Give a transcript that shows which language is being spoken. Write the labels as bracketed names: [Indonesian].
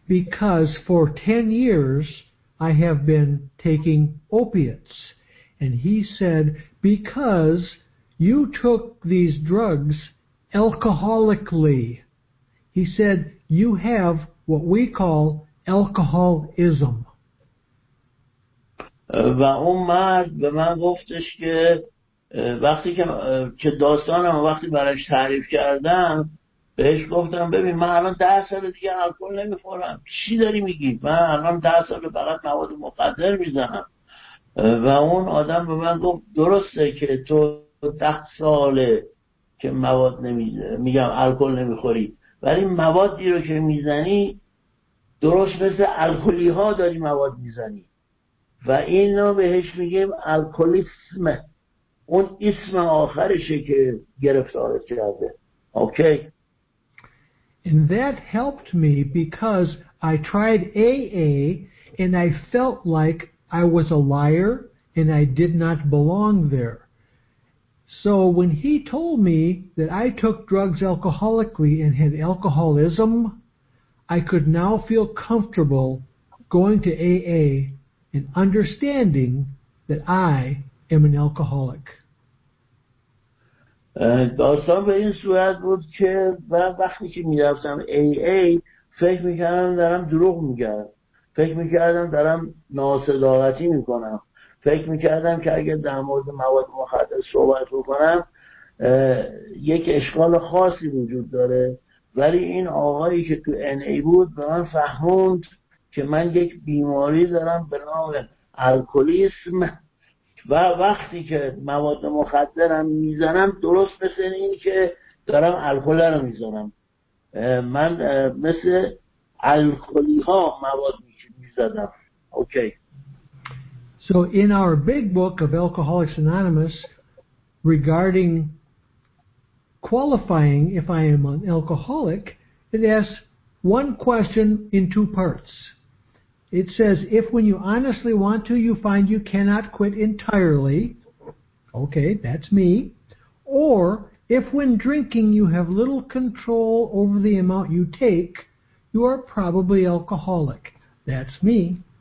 [English] Because for 10 years I have been taking opiates. And he said, because you took these drugs alcoholically. He said, you have what we call alcoholism. [Persian] و اون مرد به من گفتش که وقتی که داستانم وقتی برایش تعریف کردم بهش گفتم ببین من الان 10 سال دیگه الکل نمیخورم، چی داری میگی؟ من الان 10 سال فقط مواد مخدر میزنم. و اون آدم به من گفت درسته که تو 10 سال که مواد میگم الکل نمیخوری، ولی موادی رو که میزنی درست مثل الکلی ها داری مواد میزنی و این رو بهش میگیم الکولیسم. اون اسم آخرشه که گرفتار کرده. [English] Okay. And that helped me because I tried AA and I felt like I was a liar and I did not belong there. So when he told me that I took drugs alcoholically and had alcoholism, I could now feel comfortable going to AA and understanding that I am an alcoholic. [Persian] داستان به این صورت بود که من وقتی که می رفتم AA فکر می کردم دارم دروغ می گرم، فکر می کردم دارم ناصداقتی می کنم، فکر می کردم که اگر در مورد مواد مخدر صحبت بکنم یک اشکال خاصی وجود داره. ولی این آقایی که تو NA بود به من فهموند که من یک بیماری دارم به نام الکلیسم و وقتی که مواد مخدرم میزنم درست مثل این که دارم الکل رو میزنم، من مثل الکلی ها مواد میزدم. [English] Okay. So in our big book of Alcoholics Anonymous regarding qualifying if I am an alcoholic, it asks one question in two parts. It says, if when you honestly want to, you find you cannot quit entirely, okay, that's me, or if when drinking you have little control over the amount you take, you are probably alcoholic, that's me.